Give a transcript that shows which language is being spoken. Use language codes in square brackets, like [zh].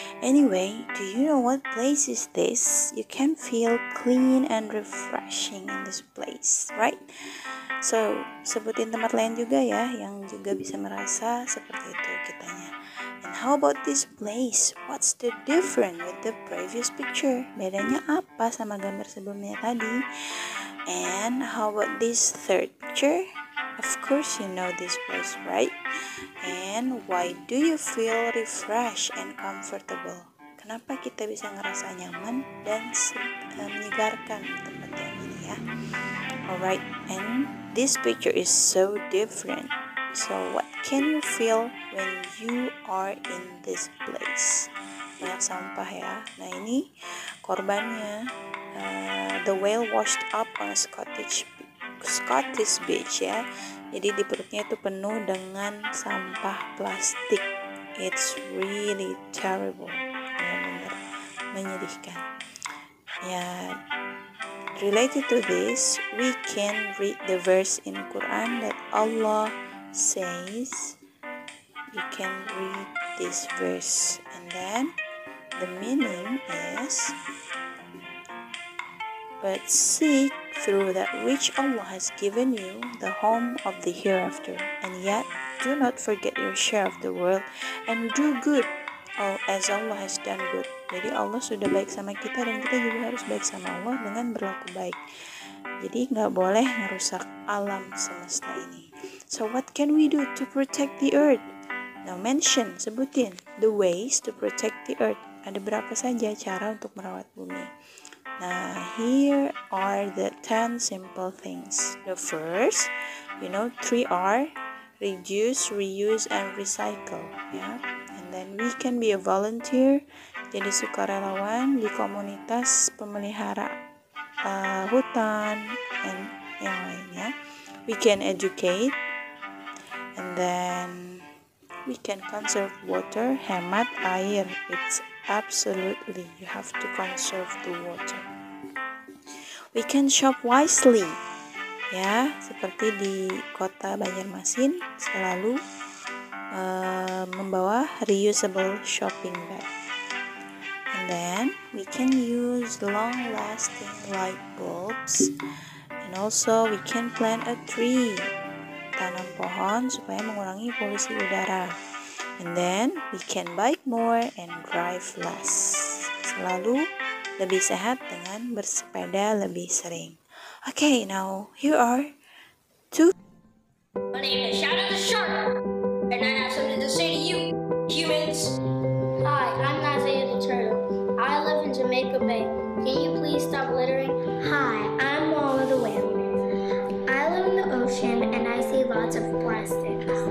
[en] Anyway, do you know what place is this? You can feel clean and refreshing in this place, right? [id] So, sebutin tempat lain juga ya, yang juga bisa merasa seperti itu kitanya. [en] And how about this place? What's the difference with the previous picture? [id] Bedanya apa sama gambar sebelumnya tadi? [en] And how about this third picture? Of course you know this place, right? And why do you feel refreshed and comfortable? [id] Kenapa kita bisa ngerasa nyaman dan menyegarkan tempat yang ini ya? [en] Alright, and this picture is so different. So what can you feel when you are in this place? [id] Banyak sampah ya. Nah ini korbannya. [en] The whale washed up on a Scottish beach ya. [id] Jadi di perutnya itu penuh dengan sampah plastik. [en] It's really terrible. [id] Benar-benar menyedihkan. [en] Ya, related to this, we can read the verse in Quran that Allah says. You can read this verse and then the meaning is, but seek through that which Allah has given you the home of the hereafter, and yet do not forget your share of the world, and do good as Allah has done good. [id] Jadi Allah sudah baik sama kita dan kita juga harus baik sama Allah dengan berlaku baik. Jadi gak boleh merusak alam semesta ini. [en] So what can we do to protect the earth? Now mention, [id] sebutin [en] the ways to protect the earth. [id] Ada berapa saja cara untuk merawat bumi. [en] Nah, here are the 10 simple things. The first, you know, 3R, reduce, reuse, and recycle. Yeah? And then we can be a volunteer, [id] jadi sukarelawan di komunitas pemelihara hutan, [en] and [id] yang lainnya. [en] We can educate, and then we can conserve water, [id] hemat air. [en] It's absolutely, you have to conserve the water. We can shop wisely, ya, [id] seperti di kota Banjarmasin, selalu membawa [en] reusable shopping bag. And then, we can use long-lasting light bulbs. And also, we can plant a tree, [id] tanam pohon supaya mengurangi polusi udara. [en] And then, we can bike more and drive less. [id] Selalu lebih sehat dengan bersepeda lebih sering. [en] Okay, now here are two. My name is Shadow the Shark, and I have something to say to you, humans. Hi, I'm Isaiah the Turtle. I live in Jamaica Bay. Can you please stop littering? Hi, I'm Wallow the Whale. I live in the ocean, and I see lots of plastics.